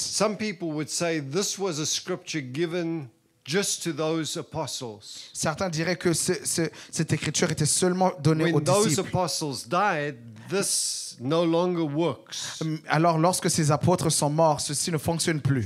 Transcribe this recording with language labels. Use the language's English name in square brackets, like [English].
[English] Some people would say this was a scripture given just to those apostles. [French] Certains diraient que cette écriture était seulement donnée aux disciples. [English] When those apostles died, this no longer works. [French] Alors, lorsque ces apôtres sont morts, ceci ne fonctionne plus.